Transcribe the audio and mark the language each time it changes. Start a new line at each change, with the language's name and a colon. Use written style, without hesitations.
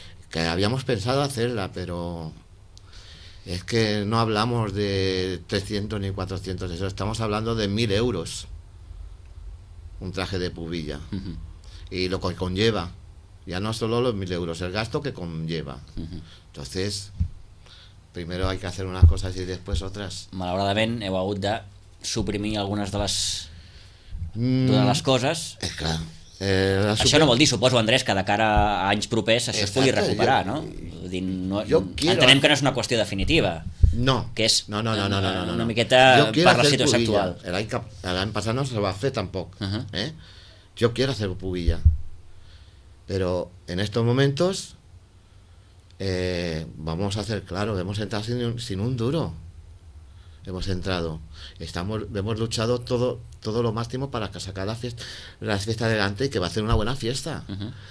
Spanish: Que habíamos pensado hacerla, pero es que no hablamos de 300 ni 400, eso, estamos hablando de 1.000 euros. Un traje de pubilla y lo que conlleva, ya no solo los 1.000 euros, el gasto que conlleva. Uh-huh. Entonces, primero hay que hacer unas cosas y después otras.
Catalan: Malauradament, heu hagut de suprimir
Spanish: algunas de las todas las cosas. Claro.
Catalan: Això no vol dir, suposo, Andrés, que de cara a anys propers això es pugui recuperar, jo, no? Dir,
Spanish: no quiero...
Catalan: Entenem que no és una qüestió definitiva. No. Que és no. Una miqueta per la situació actual. L'any passat no se va fer tampoc. Uh-huh.
Spanish: Jo quiero hacer Pubilla. Però en estos momentos vamos a hacer, claro, hemos entrado sin un duro. Hemos entrado, hemos luchado todo lo máximo para sacar la fiesta adelante y que va a ser una buena fiesta. Uh-huh.